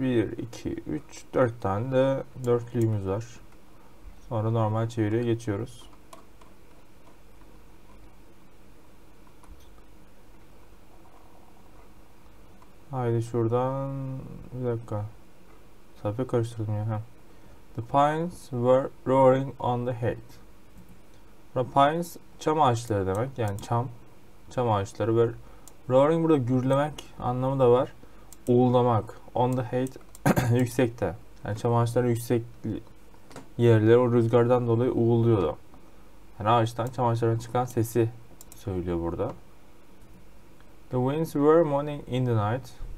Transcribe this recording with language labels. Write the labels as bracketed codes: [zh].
[tr] 1, 2, 3, 4 tane de dörtlüğümüz var. Sonra normal çeviriye geçiyoruz. Haydi şuradan bir dakika. Safi karıştırdım ya. Ha. [en] The pines were roaring on the head. [tr] The pines çam ağaçları demek. Yani çam. Çam ağaçları. Ve roaring burada gürlemek anlamı da var. Uğuldamak. [en] On the head [tr] yüksekte. Yani çam ağaçları yüksek yerler. O rüzgardan dolayı uğulduyordu. Yani ağaçtan çam ağaçlarından çıkan sesi söylüyor burada. [en] The winds were moaning in the night.